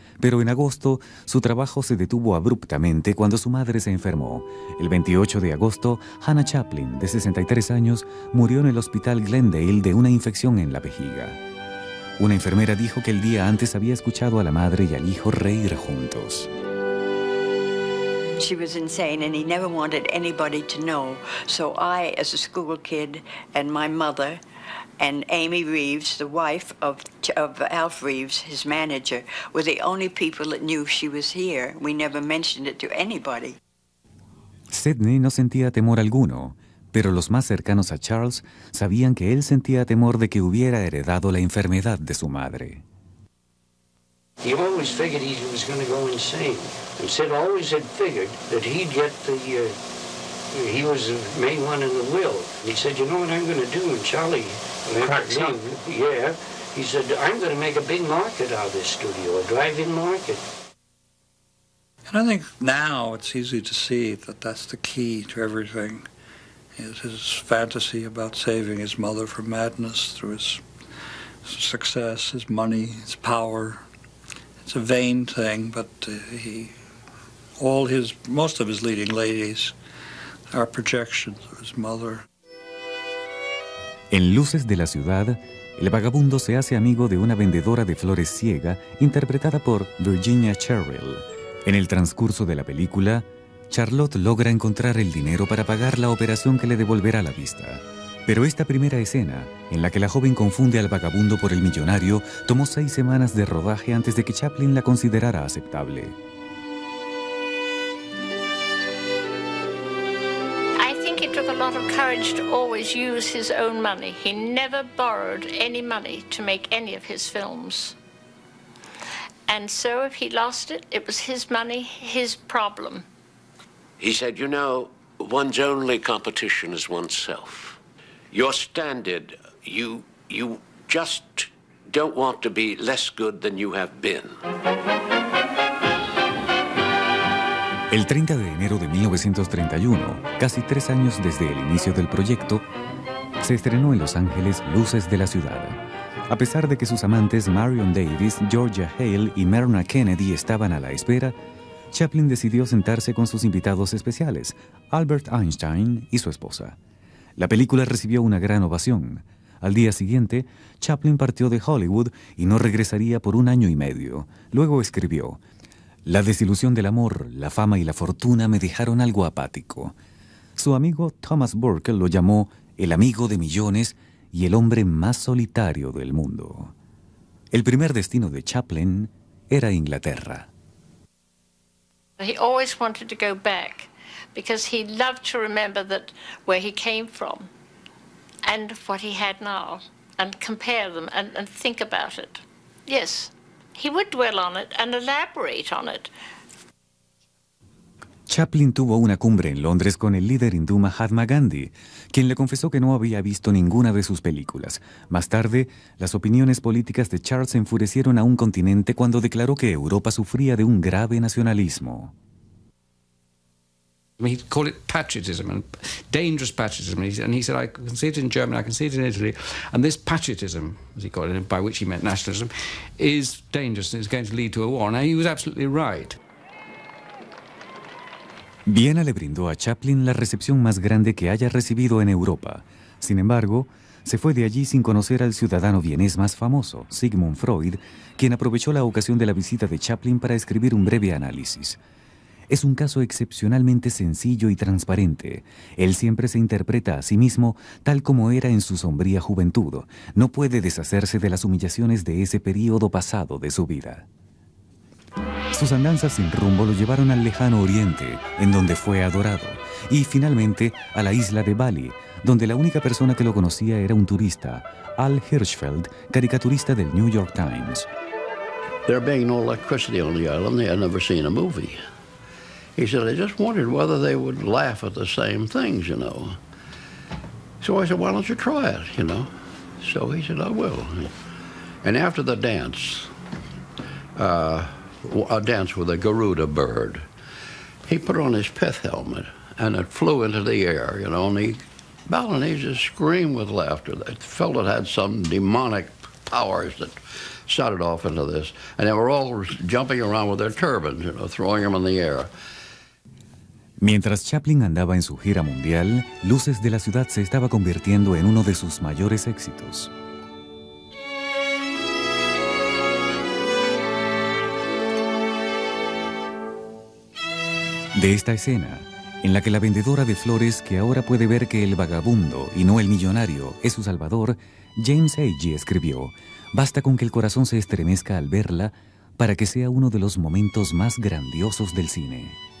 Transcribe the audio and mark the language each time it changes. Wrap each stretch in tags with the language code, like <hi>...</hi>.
<es>Pero en agosto, su trabajo se detuvo abruptamente cuando su madre se enfermó. El 28 de agosto, Hannah Chaplin, de 63 años, murió en el hospital Glendale de una infección en la vejiga. Una enfermera dijo que el día antes había escuchado a la madre y al hijo reír juntos.</es> <en>She was insane and he never wanted anybody to know. So I, as a school kid, and my mother, and Amy Reeves, the wife of Alf Reeves, his manager, were the only people that knew she was here. We never mentioned it to anybody.</en> <es>Sidney no sentía temor alguno, pero los más cercanos a Charles sabían que él sentía temor de que hubiera heredado la enfermedad de su madre.</es> <en>He always figured he was going to go insane. And Sid always had figured that he'd get the, he was the main one in the will. And he said, you know what I'm going to do? And Charlie, he said, I'm going to make a big market out of this studio, a drive-in market. And I think now it's easy to see that that's the key to everything, is his fantasy about saving his mother from madness through his success, his money, his power. It's a vain thing, but most of his leading ladies are projections of his mother.</en> <es>En Luces de la ciudad, el vagabundo se hace amigo de una vendedora de flores ciega, interpretada por Virginia Cherrill. En el transcurso de la película, Charlotte logra encontrar el dinero para pagar la operación que le devolverá la vista. Pero esta primera escena, en la que la joven confunde al vagabundo por el millonario, tomó 6 semanas de rodaje antes de que Chaplin la considerara aceptable.</es> <en>I think it took a lot of courage to always use his own money. He never borrowed any money to make any of his films. And so if he lost it, it was his money, his problem. He said, you know, one's only competition is oneself. Your standard, you just don't want to be less good than you have been.</en> <es>El 30 de enero de 1931, casi tres años desde el inicio del proyecto, se estrenó en Los Ángeles Luces de la Ciudad. A pesar de que sus amantes Marion Davis, Georgia Hale y Myrna Kennedy estaban a la espera, Chaplin decidió sentarse con sus invitados especiales, Albert Einstein y su esposa. La película recibió una gran ovación. Al día siguiente, Chaplin partió de Hollywood y no regresaría por un año y medio. Luego escribió: la desilusión del amor, la fama y la fortuna me dejaron algo apático. Su amigo Thomas Burke lo llamó el amigo de millones y el hombre más solitario del mundo. El primer destino de Chaplin era Inglaterra.</es> <en>He always wanted to go back because he loved to remember that where he came from and what he had now and compare them and think about it. Yes. He would dwell on it and elaborate on it.</en> <es>Chaplin tuvo una cumbre en Londres con el líder hindú Mahatma Gandhi, quien le confesó que no había visto ninguna de sus películas. Más tarde, las opiniones políticas de Charles enfurecieron a un continente cuando declaró que Europa sufría de un grave nacionalismo.</es> <en>He called it patriotism, and dangerous patriotism. And he said, I can see it in Germany, I can see it in Italy, and this patriotism, as he called it, by which he meant nationalism, is dangerous and is going to lead to a war. Now, he was absolutely right.</en> <es>Viena le brindó a Chaplin la recepción más grande que haya recibido en Europa. Sin embargo, se fue de allí sin conocer al ciudadano vienés más famoso, Sigmund Freud, quien aprovechó la ocasión de la visita de Chaplin para escribir un breve análisis. Es un caso excepcionalmente sencillo y transparente. Él siempre se interpreta a sí mismo tal como era en su sombría juventud. No puede deshacerse de las humillaciones de ese período pasado de su vida. Sus andanzas sin rumbo lo llevaron al lejano oriente, en donde fue adorado, y finalmente a la isla de Bali, donde la única persona que lo conocía era un turista, Al Hirschfeld, caricaturista del New York Times.</es> <en>There being no electricity on the island, they had never seen a movie. He said, I just wondered whether they would laugh at the same things, you know. So I said, why don't you try it, you know? So he said, I will. And after the dance, a dance with a Garuda bird, he put on his pith helmet, and it flew into the air, you know, and the Balinese just screamed with laughter. They felt it had some demonic powers that shot it off into this. And they were all jumping around with their turbans, you know, throwing them in the air.</en> <es>Mientras Chaplin andaba en su gira mundial, Luces de la Ciudad se estaba convirtiendo en uno de sus mayores éxitos. De esta escena, en la que la vendedora de flores, que ahora puede ver que el vagabundo y no el millonario es su salvador, James Agee escribió: basta con que el corazón se estremezca al verla para que sea uno de los momentos más grandiosos del cine.</es>